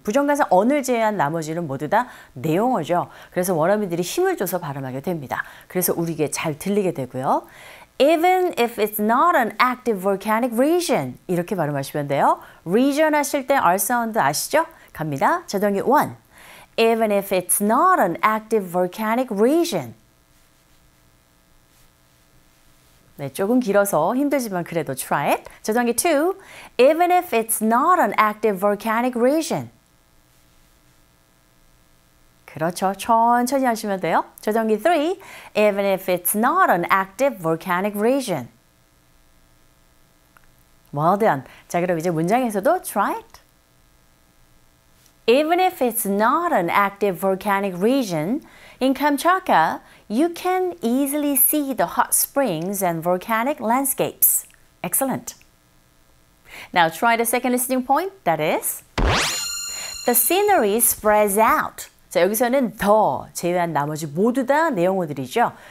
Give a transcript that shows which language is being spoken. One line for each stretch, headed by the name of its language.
Korean: 부정관사 on을 제외한 나머지는 모두 다 내용어죠. 그래서 원어민들이 힘을 줘서 발음하게 됩니다. 그래서 우리에게 잘 들리게 되고요.
English: Even if it's not an active volcanic region.
Korean: 이렇게 발음하시면 돼요. region 하실 때 R 사운드 아시죠? 갑니다. 자동이 1.
English: Even if it's not an active volcanic region.
Korean: 네, 조금 길어서 힘들지만 그래도
English: try it.
Korean: 저장기 2.
English: Even if it's not an active volcanic region.
Korean: 그렇죠. 천천히 하시면 돼요. 저장기 3.
English: Even if it's not an active volcanic region. Well done.
Korean: 자, 그럼 이제 문장에서도
English: try it. Even if it's not an active volcanic region, in Kamchatka, you can easily see the hot springs and volcanic landscapes. Excellent. Now try the second listening point, that is, the scenery spreads out.
Korean: 자, 여기서는 더 제외한 나머지 모두 다 내용어들이죠.